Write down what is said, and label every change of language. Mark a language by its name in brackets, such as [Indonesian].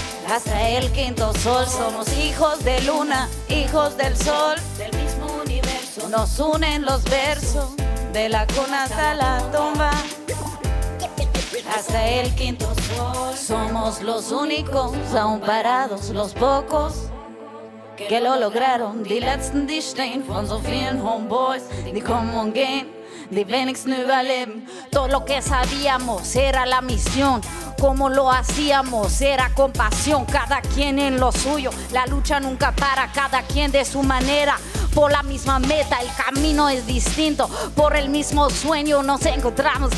[Spanish] Hasta el quinto sol, somos hijos de luna, hijos del sol, del mismo universo. Nos unen los versos, de la cuna hasta la tumba. Hasta el quinto sol, somos los únicos, aún parados, los pocos que lo lograron. [German] Die letzten, die stehen, von so vielen homeboys, die kommen gehen. [Spanish] De Venix Nueva Leben, todo lo que sabíamos era la misión. Como lo hacíamos era con pasión. Cada quien en lo suyo, la lucha nunca para. Cada quien de su manera, por la misma meta. El camino es distinto, por el mismo sueño nos encontramos.